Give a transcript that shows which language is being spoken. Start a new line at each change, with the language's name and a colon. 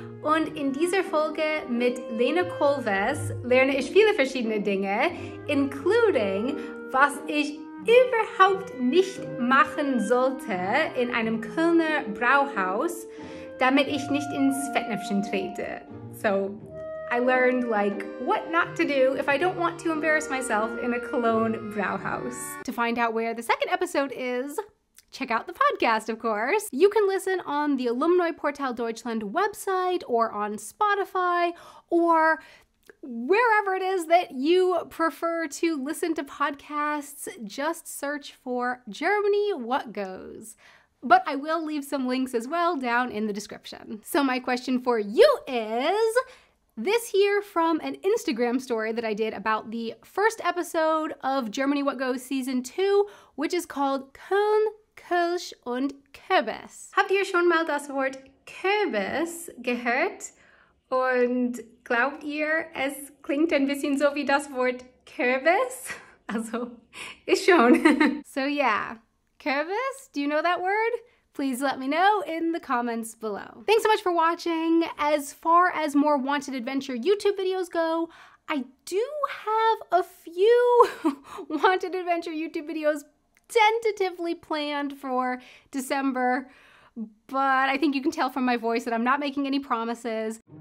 German: Und in dieser Folge mit Lena Kolves lerne ich viele verschiedene Dinge, including was ich überhaupt nicht machen sollte in einem Kölner Brauhaus, damit ich nicht ins Fettnäpfchen trete.
English: So, I learned like what not to do if I don't want to embarrass myself in a Cologne Brauhaus. To find out where the second episode is, check out the podcast, of course. You can listen on the Alumni Portal Deutschland website or on Spotify or wherever it is that you prefer to listen to podcasts. Just search for Germany What Goes. But I will leave some links as well down in the description. So my question for you is, this here from an Instagram story that I did about the first episode of Germany What Goes season 2, which is called Köln, Kölsch und Kürbis.
German: Habt ihr schon mal das Wort Kürbis gehört? Und glaubt ihr, es klingt ein bisschen so wie das Wort Kürbis? Also, ist schon.
English: So yeah, Kürbis, do you know that word? Please let me know in the comments below. Thanks so much for watching. As far as more Wanted Adventure YouTube videos go, I do have a few Wanted Adventure YouTube videos tentatively planned for December, but I think you can tell from my voice that I'm not making any promises.